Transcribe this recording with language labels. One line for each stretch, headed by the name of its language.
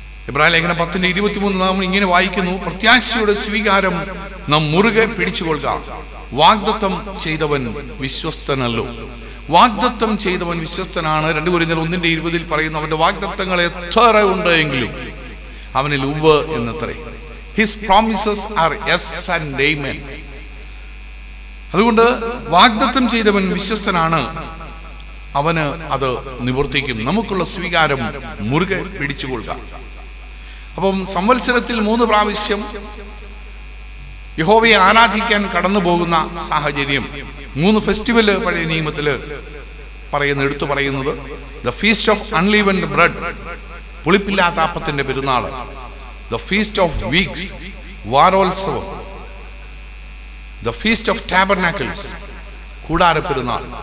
Malayalam: എബ്രായ ലേഖനം 10:23 നാം ഇങ്ങനെ വായിക്കുന്നു: പ്രത്യാശയുടെ സ്വീകാരം നാം മുറുകെ പിടിച്ചുകൊള്ളുക. വാഗ്ദത്തം ചെയ്തവൻ വിശ്വസ്തനല്ലോ. വാഗ്ദത്തം ചെയ്തവൻ വിശ്വസ്തനാണ്. 2 കൊരിന്ത്യർ 1:20 പറയുന്നു: അവന്റെ വാഗ്ദത്തങ്ങൾ എത്ര ഉണ്ടെങ്കിലും അവനിൽ ഉവ് എന്നത്രേ.
English: His promises are yes and amen.
Malayalam: അതുകൊണ്ട് വാഗ്ദത്തം ചെയ്തവൻ വിശ്വസ്തനാണ്, അവന് അത് നിവർത്തിക്കും. നമുക്കുള്ള സ്വീകാരം മുറുകെ പിടിച്ചുകൊള്ളുക. അപ്പം സംവത്സരത്തിൽ 3 പ്രാവശ്യം യഹോവയെ ആരാധിക്കാൻ കടന്നു പോകുന്ന സാഹചര്യം, 3 ഫെസ്റ്റിവൽ പഴയ നിയമത്തില് പറയുന്ന എടുത്തു പറയുന്നത്:
English: the feast of unleavened bread,
Malayalam: പുളിപ്പില്ലാത്ത അപ്പത്തിന്റെ പെരുന്നാൾ;
English: the feast of weeks,
Malayalam: വാരോത്സവം;
English: the feast of tabernacles,
Malayalam: കൂടാര പെരുന്നാൾ.